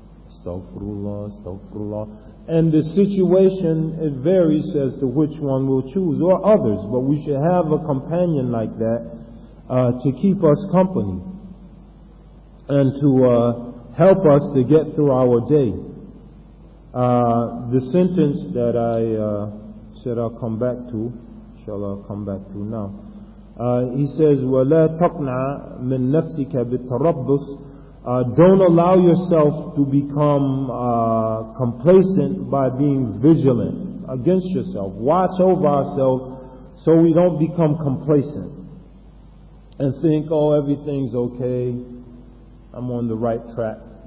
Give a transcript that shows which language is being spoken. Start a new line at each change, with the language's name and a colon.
English: Astaghfirullah, astaghfirullah. And the situation, it varies as to which one we'll choose, or others, but we should have a companion like that to keep us company and to help us to get through our day. The sentence that I said I'll come back to, inshallah, I'll come back to now. He says,
Arabic: وَلَا تَقْنَعْ مِن نَفْسِكَ بِالتَّرَبُّصِ.
English: Don't allow yourself to become complacent by being vigilant against yourself. Watch over ourselves so we don't become complacent and think, oh, everything's okay, I'm on the right track.